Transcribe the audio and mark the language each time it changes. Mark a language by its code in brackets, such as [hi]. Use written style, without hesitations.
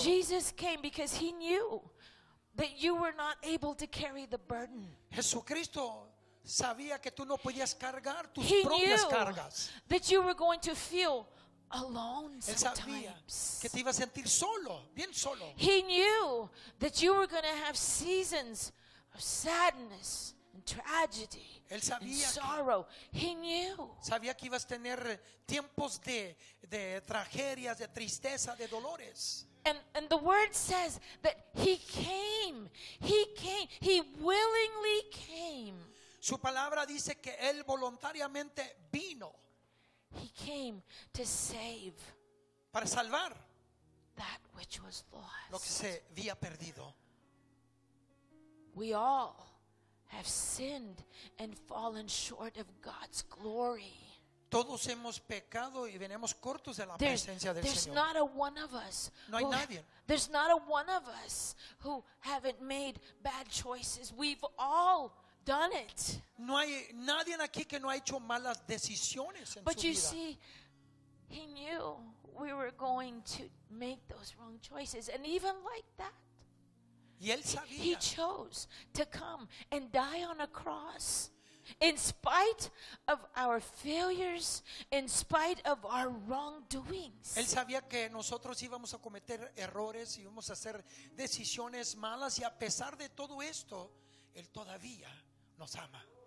[en] Jesus came because he knew that you were not able to carry the burden. [es] Jesucristo sabía que tú no podías cargar tus propias cargas. [en] That you were going to feel alone sometimes. [es] Él sabía que te ibas a sentir solo, bien solo. [en] He knew that you were going to have seasons of sadness and tragedy. [es] Él sabía [en] and sorrow. He knew. [es] Sabía que ibas a tener tiempos de tragedias, de tristeza, de dolores. [en] And the word says that he came. He came. He willingly came. [es] Su palabra dice que él voluntariamente vino. [en] He came to save. [es] Para salvar. [en] That which was lost. [es] Lo que se había perdido. [en] We all have sinned and fallen short of God's glory. [es] Todos hemos pecado y venimos cortos de la presencia del [en] there's [es] Señor. [en] Not a one of us [es] no hay [en] who, [es] nadie. [en] There's not a one of us who haven't made bad choices. We've all done it. [es] No hay nadie aquí que no ha hecho malas decisiones en [en] but [es] su vida. [en] But you see, he knew we were going to make those wrong choices, and even like that. [es] Y él sabía. [en] He chose to come and die on a cross in spite of our failures, in spite of our wrongdoings. [es] Él sabía que nosotros íbamos a cometer errores, íbamos a hacer decisiones malas, y a pesar de todo esto, él todavía nos ama.